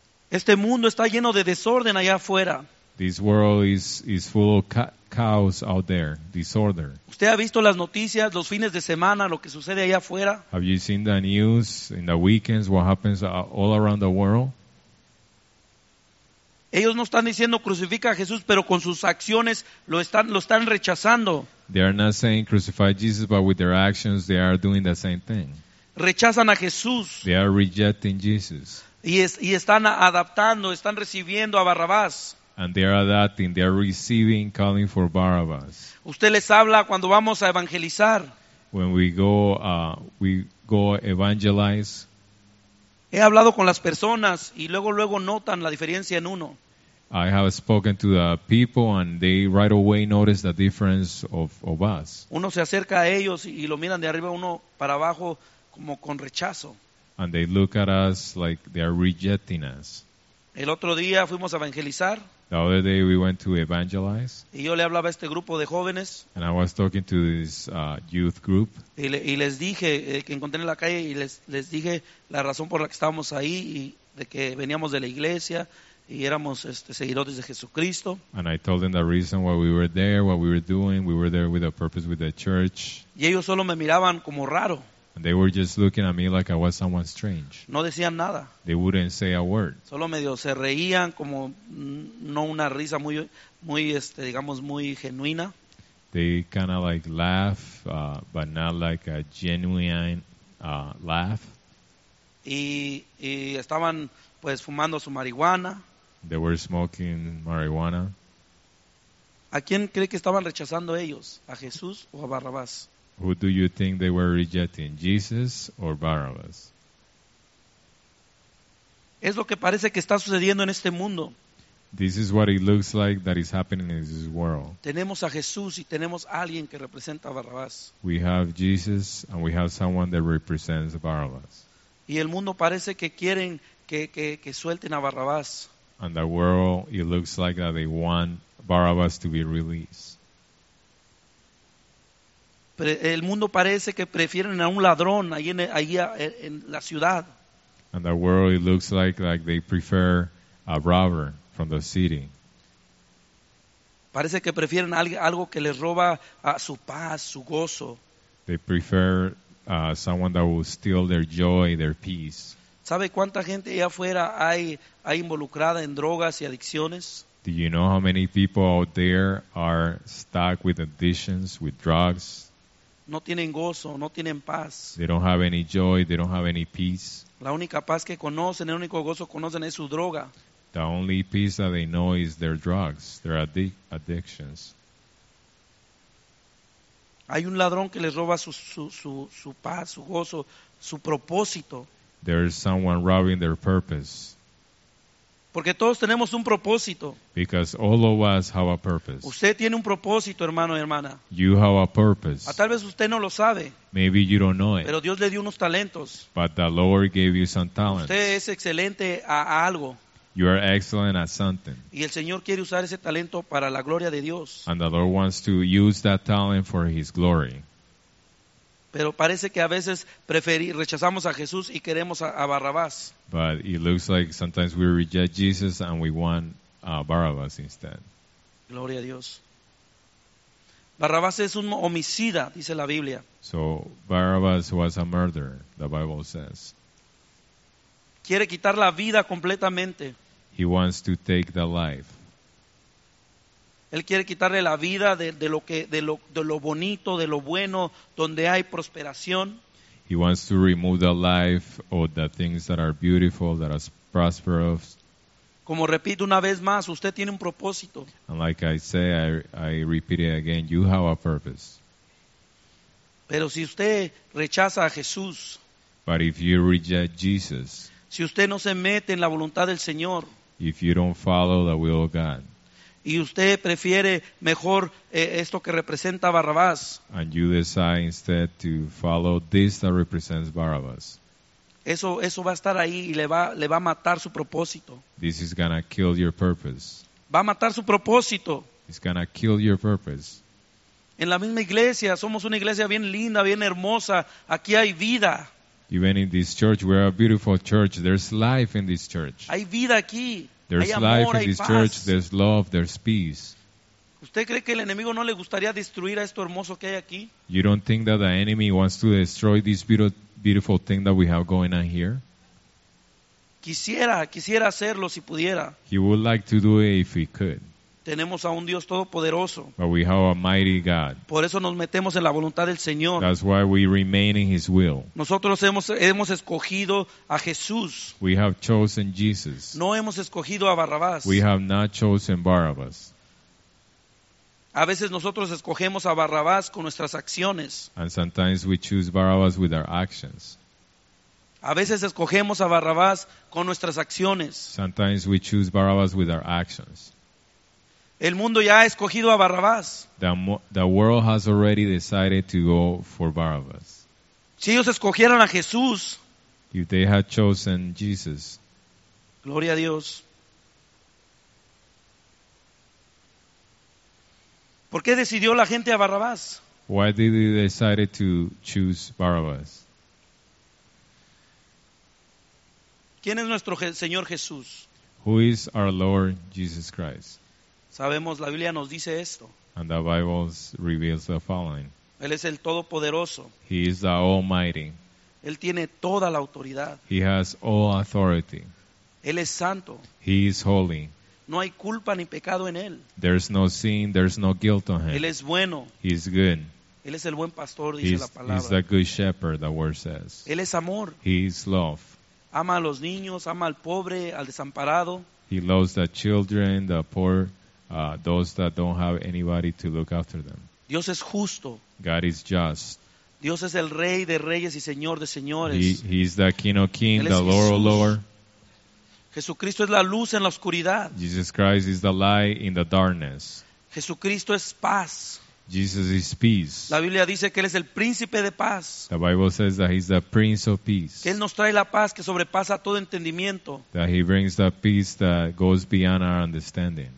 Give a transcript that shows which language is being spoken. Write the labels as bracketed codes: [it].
[es] Este mundo está lleno de desorden allá afuera. [en] This world is full of chaos out there, disorder. [es] ¿Usted ha visto las noticias los fines de semana, lo que sucede allá afuera? [en] Have you seen the news in the weekends, what happens all around the world? [es] Ellos no están diciendo crucifica a Jesús, pero con sus acciones lo están rechazando. [en] They are not saying crucify Jesus, but with their actions they are doing the same thing. [es] Rechazan a Jesús. [en] They are rejecting Jesus. [es] Y están adaptando, están recibiendo a Barrabás. [en] And they are adapting, they are receiving, calling for Barabbas. [es] Usted les habla cuando vamos a evangelizar. [en] When we go evangelize. [es] He hablado con las personas y luego notan la diferencia en uno. [en] I have spoken to the people and they right away notice the difference of us. [es] Uno se acerca a ellos y lo miran de arriba uno para abajo como con rechazo. [en] And they look at us like they are rejecting us. [es] El otro día fuimos a evangelizar. [en] The other day we went to evangelize. [es] Y yo le hablaba a este grupo de jóvenes. [en] And I was talking to this youth group. [es] Y les dije que encontré en la calle y les dije la razón por la que estábamos ahí y de que veníamos de la iglesia y éramos seguidores de Jesucristo. [en] And I told them the reason why we were there, what we were doing. We were there with a purpose with the church. [es] Y ellos solo me miraban como raro. [en] And they were just looking at me like I was someone strange. [es] No decían nada. [en] They wouldn't say a word. [es] Solo medio se reían como no una risa muy muy digamos muy genuina. [en] They kind of like laugh, but not like a genuine laugh. [es] Y estaban pues fumando su marihuana. [en] They were smoking marijuana. [es] ¿A quién cree que estaban rechazando ellos? ¿A Jesús o a Barrabás? [en] Who do you think they were rejecting, Jesus or Barabbas? [es] Es lo que parece que está sucediendo en este mundo. [en] This is what it looks like that is happening in this world. [es] Tenemos a Jesús y tenemos a alguien que representa a Barabbas. [en] We have Jesus and we have someone that represents Barabbas. [es] Y el mundo parece que quieren que suelten a Barabbas. [en] And the world, it looks like that they want Barabbas to be released. [es] El mundo parece que prefieren a un ladrón ahí en la ciudad. [en] And the world, it looks like they prefer a robber from the city. [es] Parece que prefieren algo que les roba su paz, su gozo. [en] They prefer someone that will steal their joy, their peace. [es] ¿Sabe cuánta gente allá afuera hay involucrada en drogas y adicciones? [en] Do you know how many people out there are stuck with addictions, with drugs? [es] No tienen gozo, no tienen paz. [en] They don't have any joy, they don't have any peace. [es] La única paz que conocen, el único gozo que conocen es su droga. [en] The only peace that they know is their drugs, their addictions. [es] Hay un ladrón que les roba su paz, su gozo, su propósito. [en] There is someone robbing their purpose. [es] Porque todos tenemos un propósito. [en] Because all of us have a purpose. [es] Usted tiene un propósito, hermano y hermana. [en] You have a purpose. [es] Tal vez usted no lo sabe. [en] Maybe you don't know it. [es] Pero Dios le dio unos talentos. [en] But the Lord gave you some talents. [es] Usted es excelente a algo. [en] You are excellent at something. [es] Y el Señor quiere usar ese talento para la gloria de Dios. [en] And the Lord wants to use that talent for His glory. [es] Pero parece que a veces rechazamos a Jesús y queremos a Barrabás. [en] But it looks like sometimes we reject Jesus and we want Barrabás instead. [es] Gloria a Dios. Barrabás es un homicida, dice la Biblia. [en] So Barrabás was a murderer, the Bible says. [es] Quiere quitar la vida completamente. [en] He wants to take the life. [es] Él quiere quitarle la vida de lo bonito, de lo bueno, donde hay prosperación. [en] He wants to remove the life of the things that are beautiful, that are prosperous. [es] Como repito una vez más, usted tiene un propósito. [en] And like I say, I repeat it again, you have a purpose. [es] Pero si usted rechaza a Jesús. [en] But if you reject Jesus. [es] Si usted no se mete en la voluntad del Señor. [en] If you don't follow the will of God. [es] Y usted prefiere mejor esto que representa Barrabás. [en] And you decide instead to follow this that represents Barrabás. [es] Eso va a estar ahí y le va a matar su propósito. [en] This is gonna kill your purpose. [es] Va a matar su propósito. [en] It's gonna kill your purpose. [es] En la misma iglesia, somos una iglesia bien linda, bien hermosa. Aquí hay vida. [en] Even in this church, we're a beautiful church. There's life in this church. [es] Hay vida aquí. [en] There's [es] hay amor, [en] life in this [es] paz. [en] Church, there's love, there's peace. [es] ¿Usted cree que el enemigo no le gustaría destruir a esto hermoso que hay aquí? [en] You don't think that the enemy wants to destroy this beautiful thing that we have going on here? [es] Quisiera hacerlo si pudiera. [en] He would like to do it if he could. [es] Tenemos a un Dios todopoderoso. [en] But we have a mighty God. [es] Por eso nos metemos en la voluntad del Señor. [en] That's why we remain in His will. [es] Nosotros hemos escogido a Jesús. [en] We have chosen Jesus. [es] No hemos escogido a Barrabás. [en] We have not chosen Barabbas. [es] A veces nosotros escogemos a Barrabás con nuestras acciones. [en] And sometimes we choose Barabbas with our actions. [es] A veces escogemos a Barrabás con nuestras acciones. [en] Sometimes we choose Barabbas with our actions. [es] El mundo ya ha escogido a Barrabás. [en] The world has already decided to go for Barabbas. [es] Si ellos escogieran a Jesús. [en] If they had chosen Jesus. [es] Gloria a Dios. ¿Por qué decidió la gente a Barrabás? [en] Why did they decide to choose Barabbas? [es] ¿Quién es nuestro Señor Jesús? [en] Who is our Lord Jesus Christ? [es] Sabemos, la Biblia nos dice esto. [en] And the Bible reveals the following. [es] Él es el Todopoderoso. [en] He is the Almighty. [es] Él tiene toda la autoridad. [en] He has all authority. [es] Él es santo. [en] He is holy. [es] No hay culpa ni pecado en él. [en] There is no sin, there is no guilt on him. [es] Él es bueno. [en] He is good. [es] Él es el buen pastor, dice la palabra. [en] He is the good shepherd, the word says. [es] Él es amor. [en] He is love. [es] Ama a los niños, ama al pobre, al desamparado. [en] He loves the children, the poor, those that don't have anybody to look after them. [es] Dios es justo. [en] God is just. [es] Dios es el Rey de Reyes y Señor de Señores. [en] He is the King of Kings, the Lord of Lords. [es] Jesucristo es la luz en la oscuridad. [en] Jesus Christ is the light in the darkness. [es] Jesucristo es paz. [en] Jesus is peace. [es] La Biblia dice que Él es el Príncipe de Paz. [en] The Bible says that He's the Prince of Peace. [es] Que Él nos trae la paz que sobrepasa todo entendimiento. [en] That He brings the peace that goes beyond our understanding.